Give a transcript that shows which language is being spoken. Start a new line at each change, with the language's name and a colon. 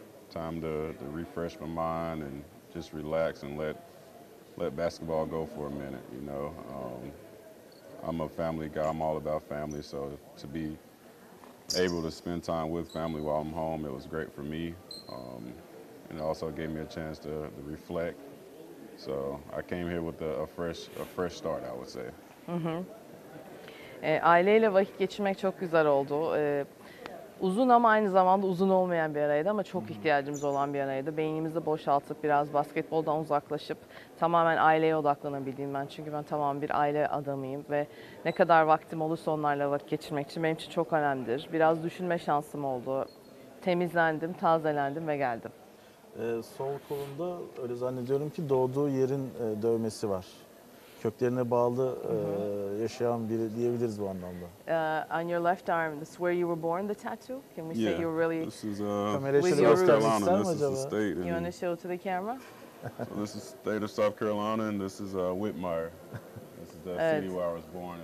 English: Time to refresh my mind and just relax and let basketball go for a minute, you know. I'm a family guy. I'm all about family. So to be able to spend time with family while I'm home, it was great for me. And it also gave me a chance to reflect. So I came here with a fresh start, I would say.
Turkish: Aileyle vakit geçirmek çok güzel oldu. Uzun ama aynı zamanda uzun olmayan bir araydı ama çok ihtiyacımız olan bir araydı. Beynimizi boşaltıp biraz basketboldan uzaklaşıp tamamen aileye odaklanabildiğim ben. Çünkü ben tamamen bir aile adamıyım ve ne kadar vaktim olursa onlarla vakit geçirmek için benim için çok önemlidir. Biraz düşünme şansım oldu. Temizlendim, tazelendim ve geldim. Sol kolunda öyle zannediyorum ki doğduğu yerin dövmesi var. Köklerine bağlı yaşayan biri diyebiliriz bu anlamda.
English: On your left arm, this is where you were born, the tattoo? Can we say you were really... This is South Carolina, this is the state. You want to show to the camera? So this is state of South Carolina and this is Whitmire. This is the city where I was born.